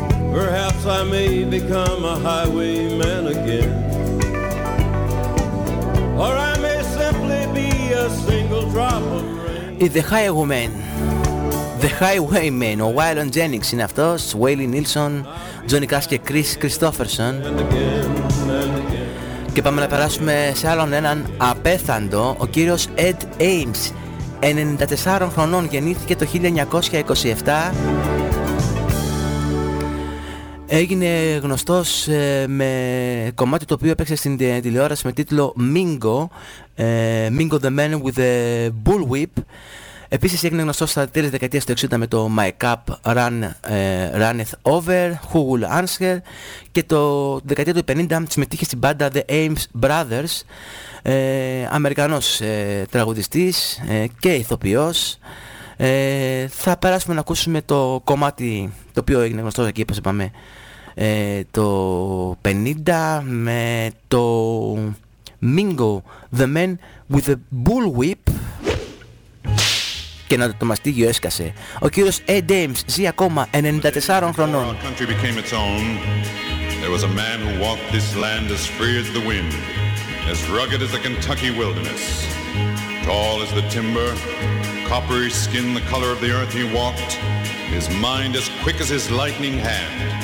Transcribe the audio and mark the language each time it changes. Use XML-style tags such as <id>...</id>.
<en>Perhaps I may become a highwayman again, or I may simply be a single drop of rain.</en> <el>ή The Highwaymen. The Highwaymen, ο Waylon Jennings είναι αυτός, Waylon Nilsson, Johnny Cash και Chris Christopherson. Και πάμε να περάσουμε σε άλλον έναν απέθαντο, ο κύριος Ed Ames. 94 χρονών γεννήθηκε το 1927. Έγινε γνωστός με κομμάτι το οποίο έπαιξε στην τηλεόραση με τίτλο Mingo, Mingo the Man with the Bullwhip. Επίσης έγινε γνωστός στα τέλη της δεκαετίας του 60 με το My Cup Run, Runneth Over, Who Will Answer, και το δεκαετία του 50 συμμετείχε στην μπάντα The Ames Brothers. Αμερικανός τραγουδιστής και ηθοποιός. Θα περάσουμε να ακούσουμε το κομμάτι το οποίο έγινε γνωστό εκεί, όπως είπαμε, το 50, με το Mingo the Man with the Bullwhip. Και να το μαστίγιο έσκασε. Ο κύριος Ed Ames ζει ακόμα 94 χρονών.</el> <en>Before our country became its own, there was a man who walked this land as free as the wind, as rugged as the Kentucky wilderness. Tall as the timber, coppery skin the color of the earth he walked, his mind as quick as his lightning hand.</en>